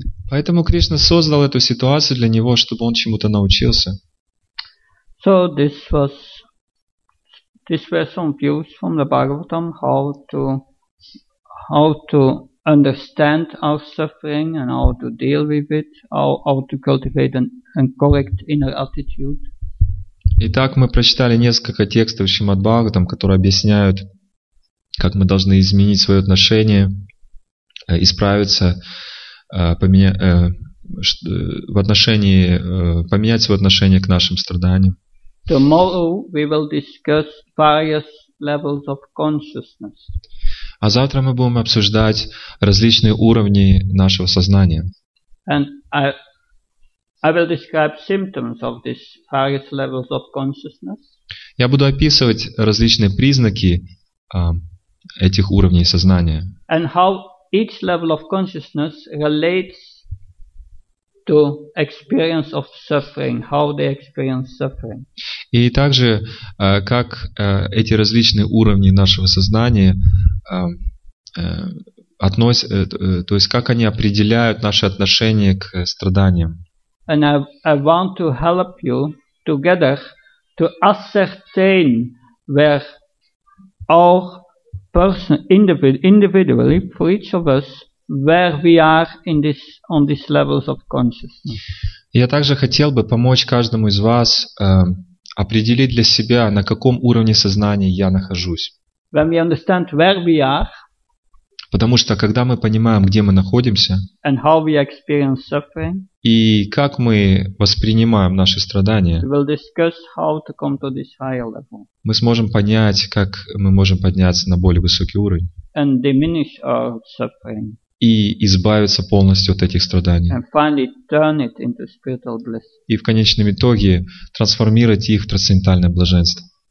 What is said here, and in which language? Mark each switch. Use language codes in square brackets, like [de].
[ru] Поэтому Кришна создал эту ситуацию для него, чтобы он чему-то научился. [en] So this was, these were some views from the Bhagavatam, how to understand our suffering and how to deal with it, how to cultivate and correct inner attitude. [ru] Итак, мы прочитали несколько текстов Шримад-Бхагаватам, которые объясняют, как мы должны изменить свое отношение, исправиться, поменять свое отношение к нашим страданиям. [en] Tomorrow we will discuss various levels of consciousness. [ru] А завтра мы будем обсуждать различные уровни нашего сознания. [en] And I will describe symptoms of these various levels of consciousness. [ru] Я буду описывать различные признаки этих уровней сознания. [en] And how each level of consciousness relates to experience of suffering, how they experience suffering. [ru] И также, как эти различные уровни нашего сознания то есть как они определяют наши отношения к страданиям. [en] And I want to help you together to ascertain where our person individually for each of us where we are in this on these levels of consciousness. [ru] Я также хотел бы помочь каждому из вас определить для себя, на каком уровне сознания я нахожусь. [en] When we understand where we are, [ru] потому что когда мы понимаем, где мы находимся, [en] and how we experience suffering, [ru] и как мы воспринимаем наши страдания, [en] we will discuss how to come to this higher level. [ru] Мы сможем понять, как мы можем подняться на более высокий уровень [en] and diminish our suffering. [ru] И избавиться полностью от этих страданий. [en] And finally turn it into spiritual bliss. [ru] И в конечном итоге трансформировать их в трансцендентальное блаженство.